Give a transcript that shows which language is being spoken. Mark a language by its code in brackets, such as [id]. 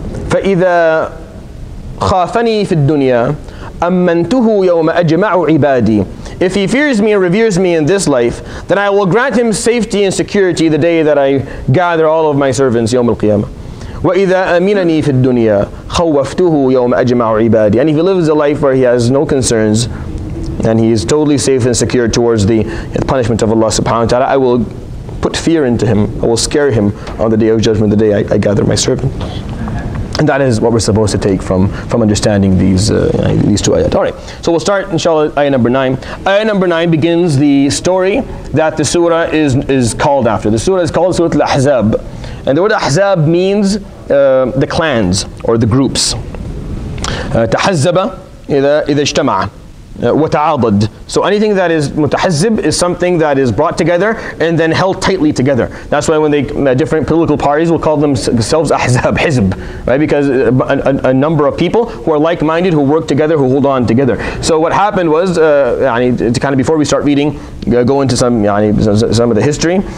[ar] فإذا خافني في الدنيا أمنته يوم أجمع عبادي. [en] If he fears me and reveres me in this life, then I will grant him safety and security the day that I gather all of my servants, [ar] يوم القيامة. وَإِذَا أَمِنَنِي فِي الدُّنْيَا خَوَّفْتُهُ يَوْمَ أَجْمَعُ عِبَادِي. [en] And if he lives a life where he has no concerns, and he is totally safe and secure towards the punishment of Allah subhanahu wa ta'ala, I will put fear into him, I will scare him on the day of judgment, the day I gather my servant. And that is what we're supposed to take from understanding these two ayat. Alright, so we'll start, inshallah, ayah number 9. Ayah number 9 begins the story that the surah is called after. The surah is called Surah Al-Ahzab. And the word Ahzab means the clans or the groups. [ar] Tahazzaba إذا اجتمع وتعاضد. [en] So anything that is mutahazzib is something that is brought together and then held tightly together. That's why when different political parties will call themselves ahzab, hizb, right? Because a number of people who are like-minded, who work together, who hold on together. So what happened was, before we start reading, go into some of the history.